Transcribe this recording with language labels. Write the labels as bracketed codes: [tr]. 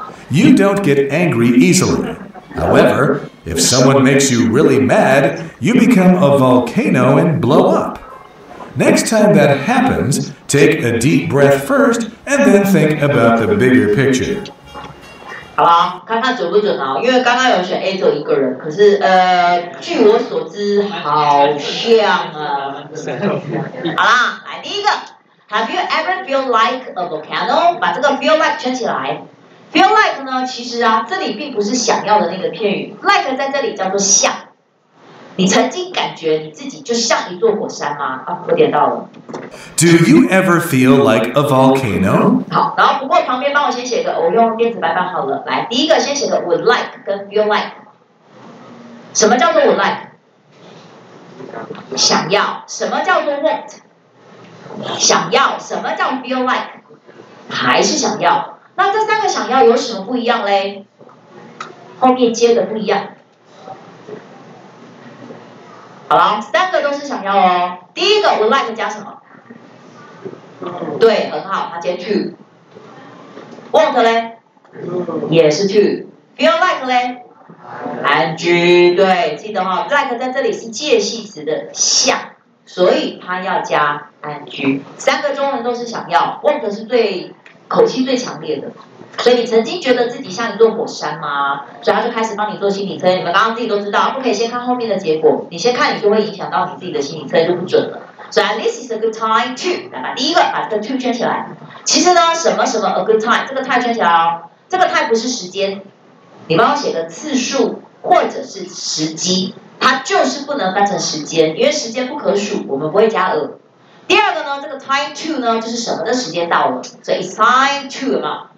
[en] You don't get angry easily. However, if someone makes you really mad, you become a volcano and blow up. Next time that happens, take a deep breath first and then think about the bigger picture. [zh] 好啦，看看准不准啊，因为刚刚有选 A 只有一个人，可是据我所知好像啊。 [en] 好啦，来第一个 ，Have you ever feel like a volcano？ [zh] 把这个 feel like 圈起来。feel like 呢，其实啊，这里并不是想要的那个片语 ，like 在这里叫做像。你曾经感觉你自己就像一座火山吗？啊，我点到了。 [en] Do you ever feel like a volcano？ [zh] 好，然后不过旁边帮我先写个，我用电子白板好了。来，第一个先写个 would like 跟 feel like。什么叫做 would like？想要。什么叫做 want？ 想要。什么叫 feel like？还是想要。那这三个想要有什么不一样嘞？后面接的不一样。好了，三个都是想要哦。第一个 would like 加什么？对，很好，他接 to。want 嘞？也是 to。 feel like 嘞 ？ing。对，记得哈、哦、，like 在这里是介系词的像，所以他要加 ing。三个中文都是想要 ，want 是最口气最强烈的。所以你曾经觉得自己像一座火山吗？所以他就开始帮你做心理测验。你们刚刚自己都知道，不可以先看后面的结果，你先看你就会影响到你自己的心理测验就不准了。所以 [en] this is a good time to， [zh] 来吧，第一个把这个 to 圈起来。其实呢，什么什么 a good time， 这个 time 圈起来哦，这个 time 不是时间，你帮我写个次数或者是时机，它就是不能翻成时间，因为时间不可数，我们不会加 a。第二个呢，这个 time to 呢，就是什么的时间到了，所以 [en] it's time to [zh] 嘛。